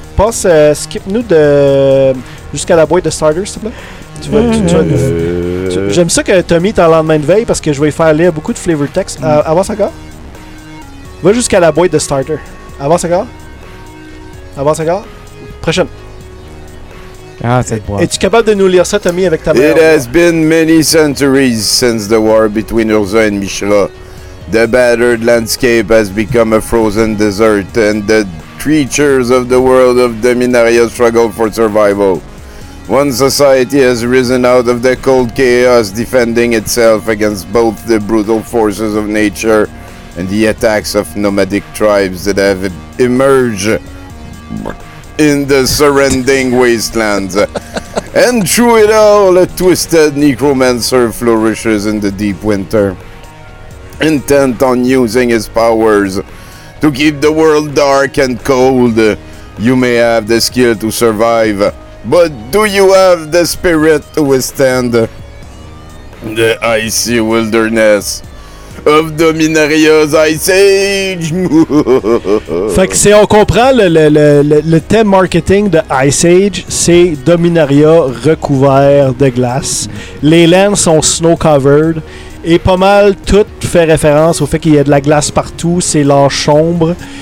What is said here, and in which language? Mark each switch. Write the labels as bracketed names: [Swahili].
[French] Passe, skip-nous de jusqu'à la boîte de starters, s'il te plaît. J'aime ça que Tommy t'a le lendemain de veille parce que je vais faire lire beaucoup de flavor text. Avance encore. Va jusqu'à la boîte de starter. Avance encore. Prochaine. Ah, cette boîte. Es-tu capable de nous lire ça, Tommy, avec ta main? [English] It has been many centuries since the war between Urza and Mishra. The battered landscape has become a frozen desert and the creatures of the world of Dominaria struggle for survival. One society has risen out of the cold chaos, defending itself against both the brutal forces of nature and the attacks of nomadic tribes that have emerged in the surrounding wastelands. And through it all, a twisted necromancer flourishes in the deep winter, intent on using his powers to keep the world dark and cold. You may have the skill to survive, but do you have the spirit to withstand the icy wilderness of Dominaria's Ice Age? [French] Fait que c'est, on comprend le thème marketing de Ice Age, c'est Dominaria recouvert de glace. Les lands sont snow-covered. Et pas mal, tout fait référence au fait qu'il y a de la glace partout, c'est l'âge sombre.